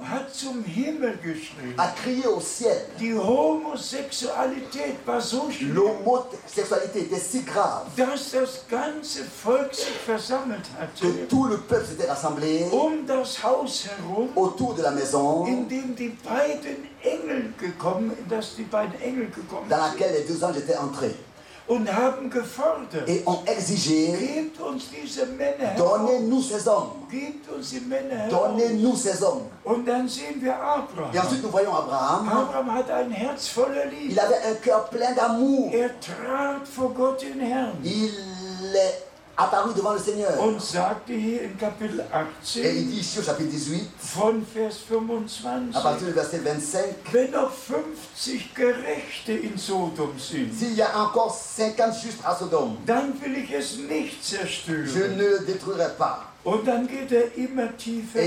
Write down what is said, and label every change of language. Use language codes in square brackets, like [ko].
[de] hat zum Himmel geschrien, [fr] a crié au ciel. [de] Die Homosexualität war so schlimm, [fr] l'homosexualité était si grave, [de] dass das ganze Volk sich sich versammelt hatte, [fr] que tout le peuple s'était rassemblé [de] um das Haus herum, [fr] autour de la maison, [de] in dem die beiden Engel gekommen, dass die beiden Engel gekommen [fr] dans laquelle les deux anges étaient entrés. [de] Und haben gefordert, [fr] et ont exigé, [de] gebt uns diese Männer, [fr] donnez-nous ces hommes. [de] Gebt uns die Männer, [fr] donnez-nous ces hommes. [de] Und dann sehen wir Abraham. [fr] Et ensuite nous voyons Abraham. [de] Abraham hat ein Herz voller Liebe. [fr] Il avait un cœur plein d'amour. [de] Er trat vor Gott den Herrn. [fr] Il est apparu devant le Seigneur. [de] Und sagte hier in Kapitel 18, [fr] et il dit ici au chapitre 18, [de] von Vers 25, [fr] à partir du verset 25, [de] wenn noch 50 Gerechte in Sodom sind, [fr] s'il y a encore 50 justes à Sodome, [de] dann will ich es nicht zerstören. [fr] Je ne le détruirai pas. [de] Und dann geht immer tiefer